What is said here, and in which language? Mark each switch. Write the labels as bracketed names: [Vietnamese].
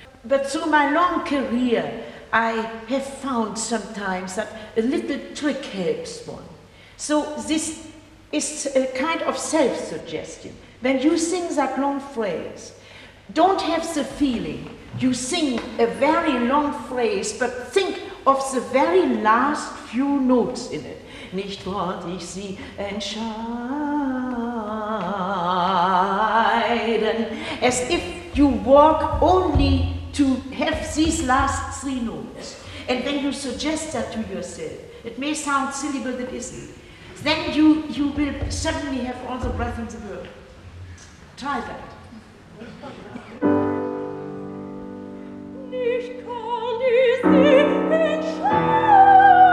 [English] But through my long career, I have found sometimes that a little trick helps one. So this is a kind of self-suggestion. When you sing that long phrase, don't have the feeling you sing a very long phrase, but think of the very last few notes in it. [German] Nicht wollt ich sie entscheiden. [English] As if you walk only to have these last three notes. And then you suggest that to yourself. It may sound silly, but it isn't. Then you will suddenly have all the breath in the world. Try that. [German] Nicht wollt ich sie entscheiden.